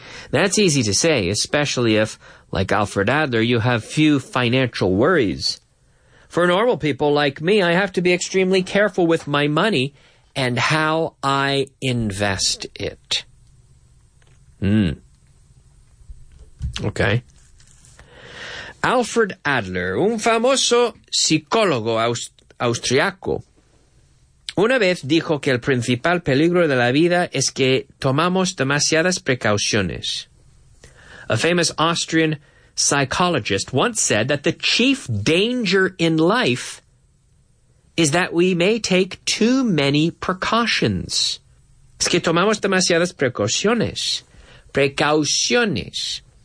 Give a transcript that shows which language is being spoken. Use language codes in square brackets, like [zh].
[en] That's easy to say, especially if, like Alfred Adler, you have few financial worries. For normal people like me, I have to be extremely careful with my money and how I invest it. Okay. [es] Alfred Adler, un famoso psicólogo austriaco, una vez dijo que el principal peligro de la vida es que tomamos demasiadas precauciones. [en] A famous Austrian psychologist once said that the chief danger in life is that we may take too many precautions. [es] Es que tomamos demasiadas precauciones. Precauciones.